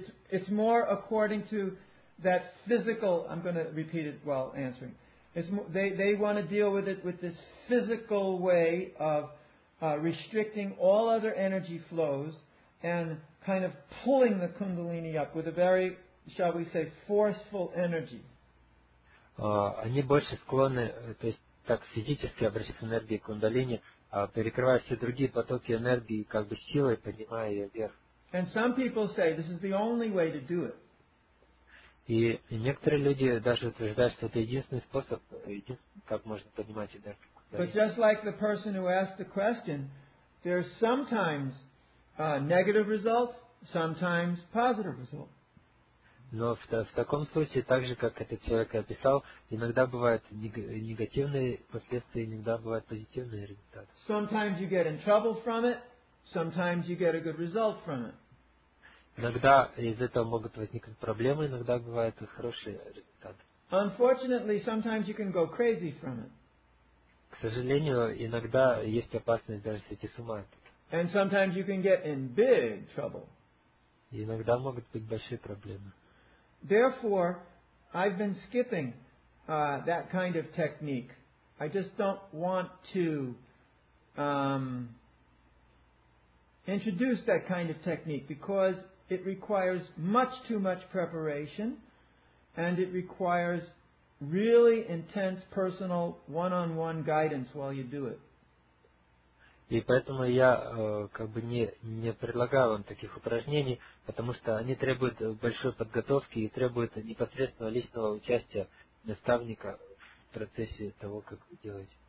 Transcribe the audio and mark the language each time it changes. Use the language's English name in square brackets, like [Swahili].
[English] It's more according to that physical, I'm going to repeat it while answering. They want to deal with it with this physical way of restricting all other energy flows and kind of pulling the kundalini up with a very, shall we say, forceful energy. [Russian] Они больше склонны, то есть так физически обращаться энергией кундалини, перекрывая все другие потоки энергии, как бы силой поднимая ее вверх. [English] And some people say this is the only way to do it. [Russian] И некоторые люди даже утверждают, что это единственный способ, единственный, как можно поднимать энергию кундалини. [English] But just like the person who asked the question, there's sometimes a negative result, sometimes positive result. [Russian] Но в таком случае, так же, как этот человек описал, иногда бывают негативные последствия, иногда бывают позитивные результаты. [English] Sometimes you get in trouble from it, sometimes you get a good result from it. [Russian] Иногда из этого могут возникнуть проблемы, иногда бывают хорошие результаты. [English] Unfortunately, sometimes you can go crazy from it. [Russian] К сожалению, иногда есть опасность даже сойти с ума. [English] And sometimes you can get in big trouble. [Russian] Иногда могут быть большие проблемы. [English] Therefore, I've been skipping that kind of technique. I just don't want to introduce that kind of technique because it requires much too much preparation and it requires really intense personal one-on-one guidance while you do it. [Russian] И поэтому я как бы не предлагаю вам таких упражнений, потому что они требуют большой подготовки и требуют непосредственного личного участия наставника в процессе того, как вы делаете.